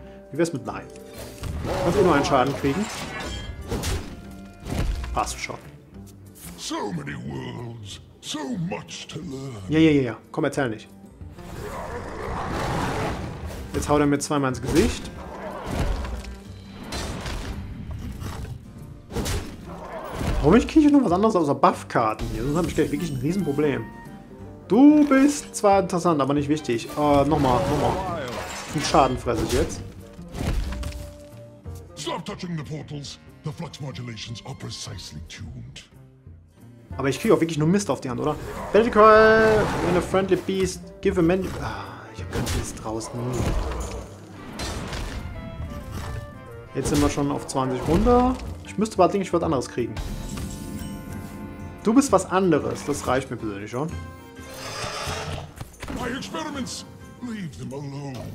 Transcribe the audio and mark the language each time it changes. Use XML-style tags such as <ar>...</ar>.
<de>Wie wär's mit nein? Kannst du nur einen Schaden kriegen? Passt schon.</de> <en>So many worlds, so much to learn.</en> <de>Ja. Komm, erzähl nicht. Jetzt haut er mir zweimal ins Gesicht. Warum kriege ich noch was anderes außer Buffkarten hier? Sonst habe ich gleich wirklich ein Riesenproblem. Du bist zwar interessant, aber nicht wichtig. Nochmal. Viel Schaden fresse ich jetzt.</de> <en>Stop touching the portals. The flux modulations are precisely tuned.</en> <de>Aber ich kriege auch wirklich nur Mist auf die Hand, oder?</de> <en>Battle Cry, when a friendly beast, give a man.</en> <de>Ich habe keinen Mist draußen. Jetzt sind wir schon auf 20 runter. Ich müsste aber eigentlich was anderes kriegen. Du bist was anderes. Das reicht mir persönlich schon.</de> <en>My experiments. Leave them alone.</en>